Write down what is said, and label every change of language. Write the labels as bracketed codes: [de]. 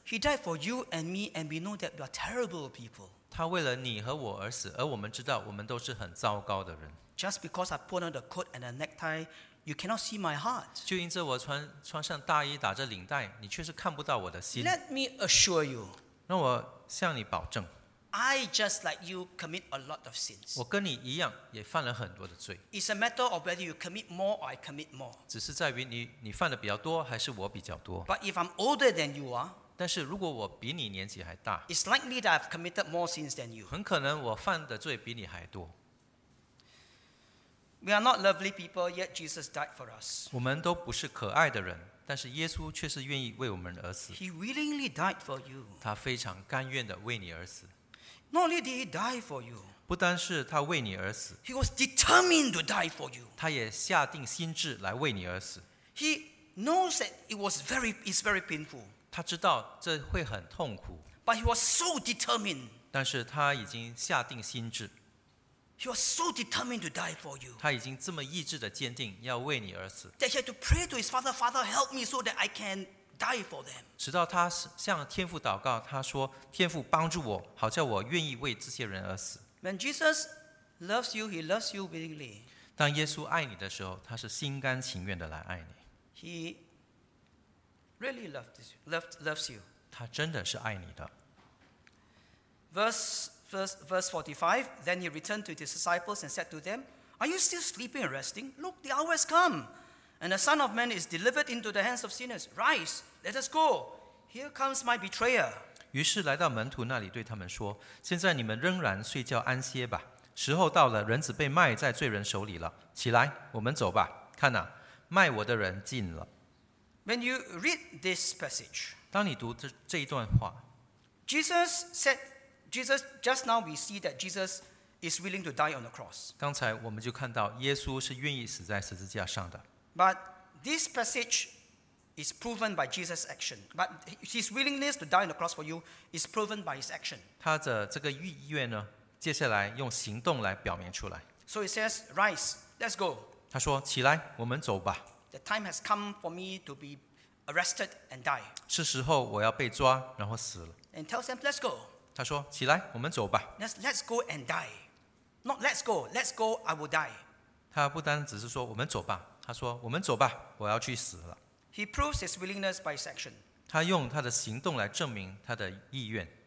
[en] He died for you and me, and we know that we are terrible people. [zh] 他为了你和我而死，而我们知道我们都是很糟糕的人。 [en] Just because I put on the coat and a necktie, you cannot see my heart. [zh] 就因着我穿上大衣打着领带，你却是看不到我的心。 [en] Let me assure you. [zh] 让我向你保证。 [en] I just like you commit a lot of sins. [zh] 我跟你一样，也犯了很多的罪。 [en] It's a matter of whether you commit more or I commit more. [zh] 只是在于你犯的比较多，还是我比较多。 [en] But if I'm older than you are. [zh] 但是如果我比你年纪还大。 [en] It's likely that I've committed more sins than you. [zh] 很可能我犯的罪比你还多。 [en] We are not lovely people, yet Jesus died for us. [zh] 我们都不是可爱的人，但是耶稣却是愿意为我们而死。 [en] He willingly died for you. [zh] 他非常甘愿的为你而死。 [en] Not only did he die for you. [zh] 不单是他为你而死。 [en] He was determined to die for you. [zh] 他也下定心志来为你而死。 [en] He knows that it's very painful. [zh] 他知道这会很痛苦。 [en] But he was so determined. [zh] 但是他已经下定心志。 [en] He was so determined to die for you. [zh] 他已经这么意志的坚定，要为你而死。 [en] That he had to pray to his father, Father, help me so that I can die for them. [zh] 直到他向天父祷告，他说：“天父帮助我，好叫我愿意为这些人而死。” [en] When Jesus loves you, he loves you willingly. [zh] 当耶稣爱你的时候，他是心甘情愿的来爱你。 [en] He really loves you. [zh] 他真的是爱你的。 [en] Verse 45, then he returned to his disciples and said to them, Are you still sleeping and resting? Look, the hour has come, and the Son of Man is delivered into the hands of sinners. Rise, let us go. Here comes my betrayer. [zh] 于是来到门徒那里对他们说，现在你们仍然睡觉安歇吧。时候到了，人子被卖在罪人手里了。起来，我们走吧。看哪，卖我的人进了。 [en] When you read this passage, [zh] 当你读这一段话， [en] Jesus, just now we see that Jesus is willing to die on the cross. [zh] 刚才我们就看到耶稣是愿意死在十字架上的。 [en] But this passage is proven by Jesus' action. But his willingness to die on the cross for you is proven by his action. [zh] 他的这个意愿呢，接下来用行动来表明出来。 [en] So he says, "Rise, let's go." [zh] 他说，起来，我们走吧。 [en] The time has come for me to be arrested and die. [zh] 是时候我要被抓，然后死了。 [en] And tells them, "Let's go." [zh] 他说：“起来，我们走吧。” [en] Let's go and die. Not let's go. Let's go. I will die. [zh] 他不单只是说我们走吧，他说我们走吧，我要去死了。 [en] He proves his willingness by his action. [zh] 他用他的行动来证明他的意愿。